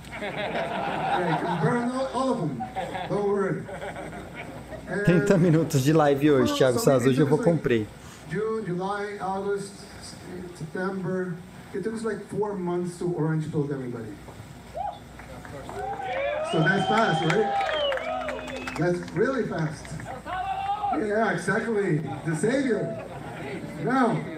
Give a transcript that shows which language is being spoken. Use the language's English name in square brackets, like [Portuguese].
[English] Right, you burn all of them. Don't worry. [Portuguese] 30 minutos de live hoje, [English] well, [Portuguese] Thiago Sazu, hoje eu vou cumprir. [English] June, July, August, September. It took us like 4 months to orange pill everybody. So that's fast, right? That's really fast. Yeah, exactly. The savior. Now.